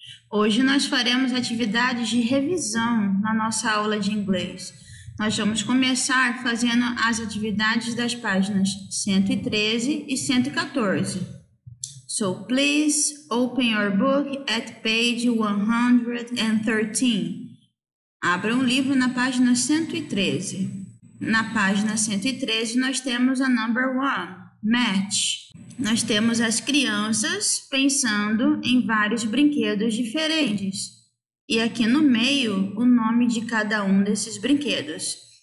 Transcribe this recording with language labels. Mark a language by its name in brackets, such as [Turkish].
[Portuguese] Hoje nós faremos atividades de revisão na nossa aula de inglês. Nós vamos começar fazendo as atividades das páginas 113 e 114. [English] So please open your book at page 113. [Portuguese] Abra um livro na página 113. Na página 113 nós temos a [English] number one, match. [Portuguese] Nós temos as crianças pensando em vários brinquedos diferentes. E aqui no meio, o nome de cada um desses brinquedos.